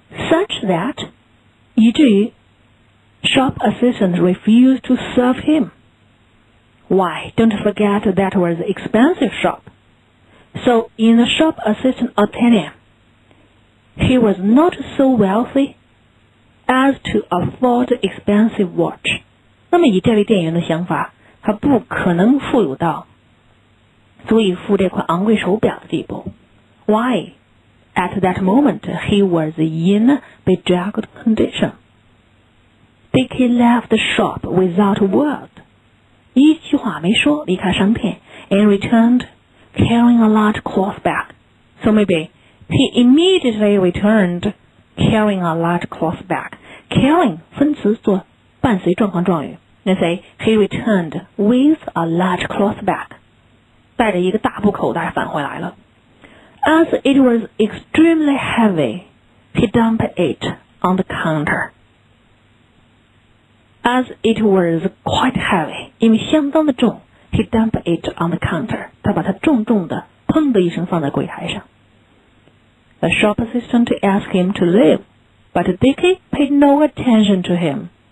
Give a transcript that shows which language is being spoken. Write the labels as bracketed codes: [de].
[en] Such that... [zh] 以至于 [en] shop assistant refused to serve him. Why? Don't forget that was an expensive shop. So in the shop assistant opinion, he was not so wealthy as to afford expensive watch. [zh] 那么以这位店员的想法，他不可能富有到足以付这块昂贵手表的地步。 [en] Why? At that moment, he was in a bedraggled condition. Dickie left the shop without a word. [zh] 一句话没说离开商店 [en] and returned carrying a large cloth bag. So maybe he immediately returned carrying a large cloth bag. [zh] Carrying 分词做伴随状况状语 [en] Let's say he returned with a large cloth bag. [zh] 带着一个大布口袋返回来了。 [en] As it was extremely heavy, he dumped it on the counter. As it was quite heavy, [zh] 因为相当的重, [en] he dumped it on the counter. [zh] 他把它重重的,砰的一声放在柜台上。 [en] The shop assistant asked him to leave, but Dickie paid no attention to him.